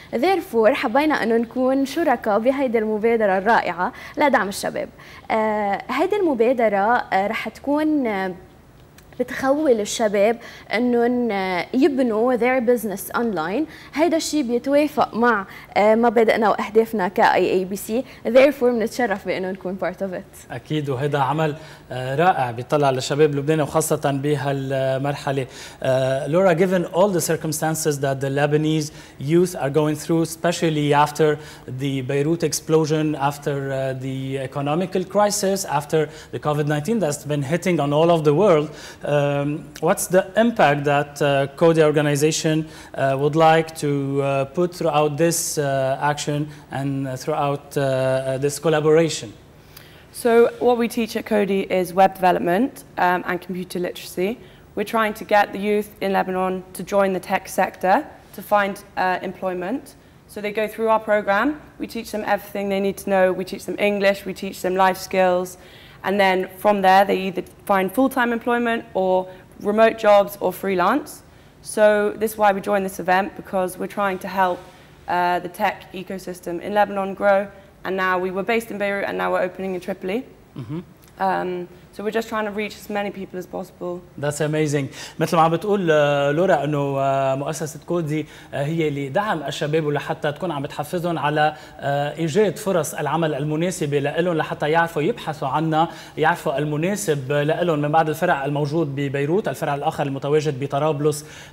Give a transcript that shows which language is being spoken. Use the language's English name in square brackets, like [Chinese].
[Arabic] therefore حبينا أنه نكون شركاء بهيدي المبادرة الرائعة لدعم الشباب. هيدي المبادرة رح تكون بتخول الشباب انهم يبنوا [English] their business online. [Arabic] هيدا الشيء بيتوافق مع مبادئنا واهدافنا ك IABC. therefore بنتشرف بانه نكون [English] part of it. [Arabic] اكيد وهذا عمل رائع بيطلع لشباب لبنان وخاصه بهالمرحله. [English] Laura, given all the circumstances that the Lebanese youth are going through, especially after the Beirut explosion, after the economical crisis, after the COVID-19 that's been hitting on all of the world, what's the impact that CODI organization would like to put throughout this action and throughout this collaboration? So what we teach at CODI is web development and computer literacy. We're trying to get the youth in Lebanon to join the tech sector to find employment. So they go through our program, we teach them everything they need to know. We teach them English, we teach them life skills. And then from there, they either find full-time employment or remote jobs or freelance. So this is why we joined this event, because we're trying to help the tech ecosystem in Lebanon grow. And now we were based in Beirut and now we're opening in Tripoli. Mm-hmm. So we're just trying to reach as many people as possible. That's amazing. [Arabic] مثل ما عم بتقول لورا انه مؤسسه كودي هي اللي دعم الشباب ولحتى تكون عم تحفزهم على ايجاد فرص العمل المناسبه لهم لحتى يعرفوا يبحثوا عنا يعرفوا المناسب لهم من بعد الفرع الموجود ببيروت، الفرع الاخر المتواجد بطرابلس